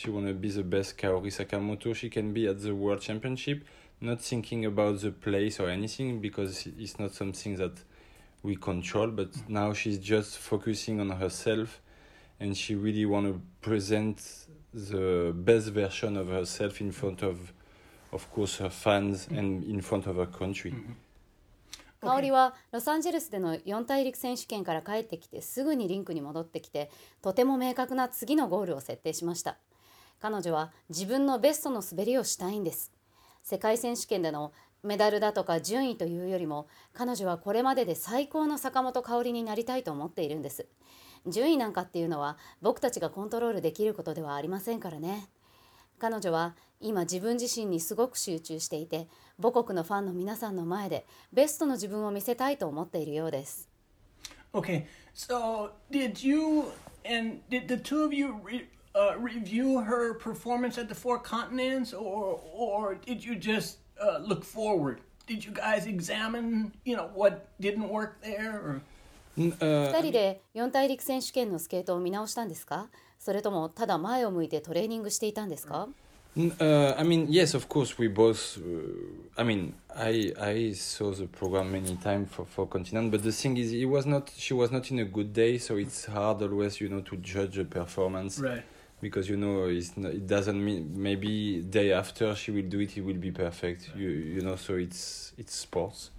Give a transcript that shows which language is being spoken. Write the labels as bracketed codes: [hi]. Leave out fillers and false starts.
[en] She want to be the best Kaori Sakamoto she can be at the World Championship, not thinking about the place or anything, because it's not something that... we control, but now she's just focusing on herself and she really want to present the best version of herself in front of course her fans and in front of her country. [ja] かおりはロサンゼルスでの四大陸選手権から帰ってきてすぐにリンクに戻ってきてとても明確な次のゴールを設定しました。彼女は自分のベストの滑りをしたいんです。世界選手権でのメダルだとか順位というよりも彼女はこれまでで最高の坂本香織になりたいと思っているんです。順位なんかっていうのは僕たちがコントロールできることではありませんからね。彼女は今自分自身にすごく集中していて母国のファンの皆さんの前でベストの自分を見せたいと思っているようです。 [en] Okay, so did you and did the two of you review her performance at the four continents or did you justlook forward? Did you guys examine, you know, what didn't work there? Or... [ja] 2人で四大陸選手権のスケートを見直したんですか？それともただ前を向いてトレーニングしていたんですか？ [en] I mean, yes, of course, we both... I mean, I saw the program many times for Continent, but the thing is, she was not in a good day, so it's hard always, you know, to judge a performance. Right. Because, you know, it doesn't mean maybe day after she will do it, it will be perfect, you know, so it's sports.